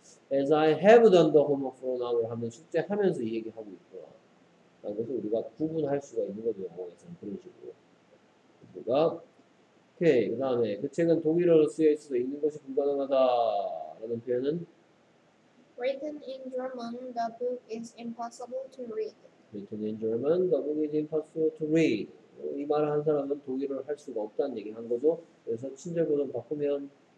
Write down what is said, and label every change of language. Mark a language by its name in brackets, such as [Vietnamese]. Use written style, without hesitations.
[English] As I have done the homework for an hour [Korean] 하면 숙제하면서 이 얘기하고 있구나. 라는 것을 우리가 구분할 수가 있는 거죠. 뭐, 예전 그런 식으로. 그니까, 오케이. 그 다음에, 그 책은 독일어로 쓰여 있어도 읽는 것이 불가능하다. 라는 표현은? [English] Written in German, the book is impossible to read. Written in German, the book is impossible to read. [Korean] 이 말을 한 사람은 독일어를 할 수가 없다는 얘기 한 거죠. 그래서 친절구도 바꾸면,